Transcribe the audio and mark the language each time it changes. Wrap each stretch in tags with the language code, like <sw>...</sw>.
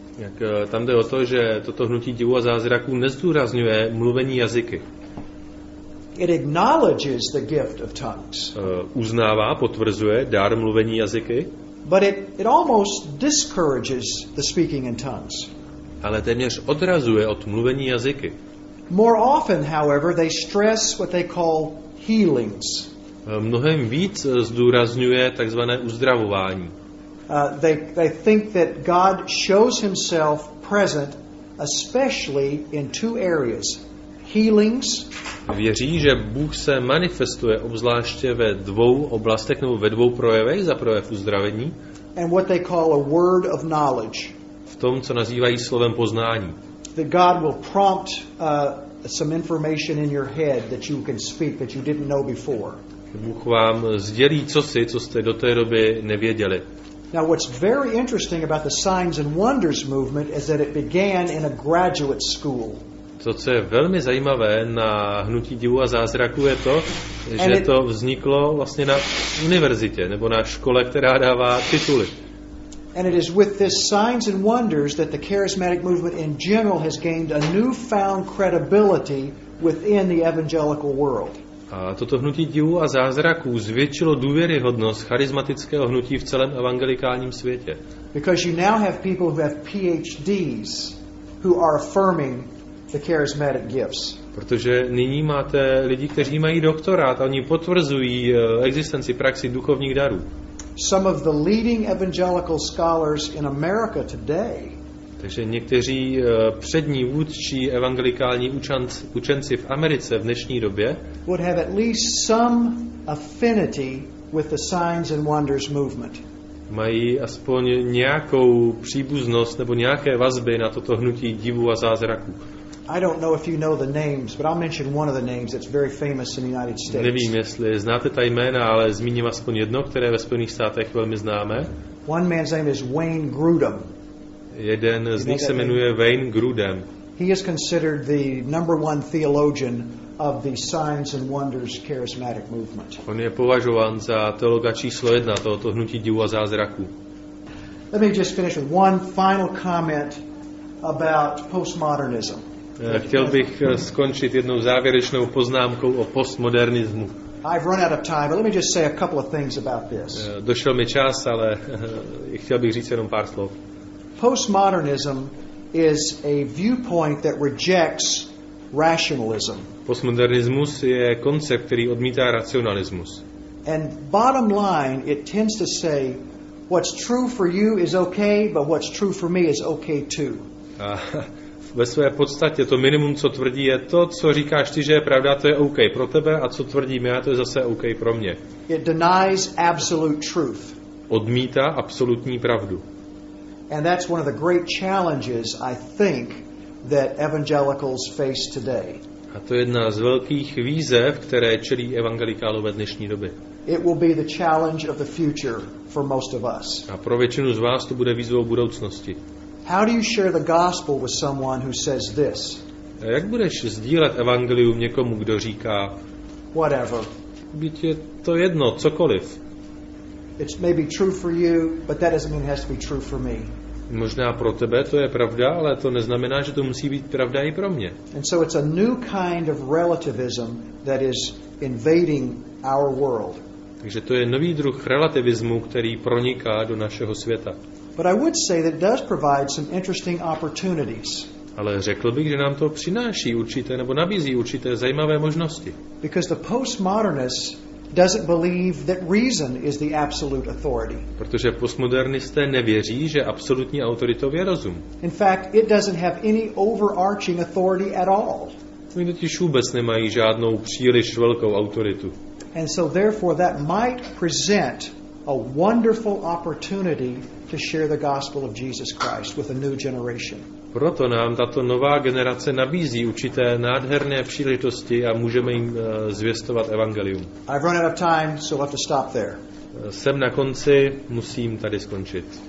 <cs>Jak tam jde o to, že toto hnutí divu a zázraků nezdůrazňuje mluvení jazyky.</cs> <en>It acknowledges the gift of tongues.</en> <cs>Uznává, potvrzuje dar mluvení jazyky.</cs> <en>But it almost discourages the speaking in tongues.</en> <cs>Ale téměř odrazuje od mluvení jazyky.</cs> <en>More often, however, they stress what they call healings.</en> <cs>Mnohem víc zdůrazňuje takzvané uzdravování.</cs> <en>They think that God shows himself present especially in two areas, healings.</en> <cs>Věří, že Bůh se manifestuje obzvláště ve dvou oblastech nebo ve dvou projevech, za prvé v uzdravení.</cs> <en>And what they call a word of knowledge.</en> <cs>V tom, co nazývají slovem poznání.</cs> <en>That God will prompt some information in your head that you can speak that you didn't know before.</en> <cs>Bůh vám sdělí cosi, co jste do té doby nevěděli.</cs> <en>Now what's very interesting about the Signs and Wonders movement is that it began in a graduate school.</en> <cs>To, co je velmi zajímavé na hnutí divu a zázraku, je to, že to vzniklo vlastně na univerzitě nebo na škole, která dává tituly.</cs> <en>And it is with this Signs and Wonders that the charismatic movement in general has gained a newfound credibility within the evangelical world.</en> <cs>A toto hnutí divů a zázraků zvětšilo důvěryhodnost charismatického hnutí v celém evangelikálním světě.</cs> <en>Because you now have people who have PhDs who are affirming the charismatic gifts.</en> <cs>Protože nyní máte lidi, kteří mají doktorát, a oni potvrzují existenci praxi duchovních darů.</cs> <en>Some of the leading evangelical scholars in America today.</en> <cs>Takže někteří přední vůdčí evangelikální učenci v Americe v dnešní době</cs> <en>would have at least some affinity with the Signs and Wonders movement.</en> <cs>Mají aspoň nějakou příbuznost nebo nějaké vazby na toto hnutí divu a zázraků.</cs> <en>I don't know if you know the names, but I'll mention one of the names that's very famous in the United States.</en> <cs>Nevím, jestli znáte ta jména, ale zmíním aspoň jedno, které ve Spojených státech velmi známe.</cs> <en>One man's name is Wayne Grudem.</en> <cs>Jeden z nich se jmenuje Wayne Grudem.</cs> <en>He is considered the number one theologian of the Signs and Wonders charismatic movement.</en> <cs>On je považován za teologa číslo jedna tohoto hnutí divu a zázraku.</cs> <en>Let me just finish with one final comment about postmodernism.</en> <cs>Chtěl bych skončit jednou závěrečnou poznámkou o postmodernismu.</cs> <en>I've run out of time, but let me just say a couple of things about this.</en> <cs>Došel mi čas, ale chtěl bych říct jenom pár slov.</cs> <en>Postmodernism is a viewpoint that rejects rationalism.</en> <cs>Postmodernismus je koncept, který odmítá racionalismus.</cs> <en>And bottom line, it tends to say what's true for you is okay, but what's true for me is okay too.</en> <cs>A v ve své podstatě to minimum, co tvrdí, je to, co říkáš ty, že je pravda, to je OK pro tebe, a co tvrdím já, to je zase OK pro mě.</cs> <en>It denies absolute truth.</en> <cs>Odmítá absolutní pravdu.</cs> <en>And that's one of the great challenges, I think, that evangelicals face today.</en> <cs>A to je jedna z velkých výzev, které čelí evangelikálové dnešní doby.</cs> <en>It will be the challenge of the future for most of us.</en> <cs>A pro většinu z vás to bude výzvou budoucnosti.</cs> <en>How do you share the gospel with someone who says this?</en> <cs>A jak budeš sdílet evangelium někomu, kdo říká</cs> <en>whatever?</en> <cs>Byť je to jedno, cokoliv.</cs> <en>It may be true for you, but that doesn't mean it has to be true for me.</en> <cs>Možná pro tebe to je pravda, ale to neznamená, že to musí být pravda i pro mě.</cs> <en>And so it's a new kind of relativism that is invading our world.</en> <cs>Takže to je nový druh relativismu, který proniká do našeho světa.</cs> <en>But I would say that it does provide some interesting opportunities.</en> <cs>Ale řekl bych, že nám to přináší určité nebo nabízí určité zajímavé možnosti.</cs> <en>Because the postmodernists doesn't believe that reason is the absolute authority.</en> <cs>Protože postmodernisté nevěří, že absolutní autoritou je rozum.</cs> <en>In fact, it doesn't have any overarching authority at all.</en> <cs>Oni totiž vůbec nemají žádnou příliš velkou autoritu.</cs> <en>And so therefore that might present a wonderful opportunity to share the gospel of Jesus Christ with a new generation.</en> <cs>Proto nám tato nová generace nabízí určité nádherné příležitosti a můžeme jim zvěstovat evangelium.</cs> <en>I've run out of time, so I'll have to stop there.</en> <cs>Jsem na konci, musím tady skončit.</cs>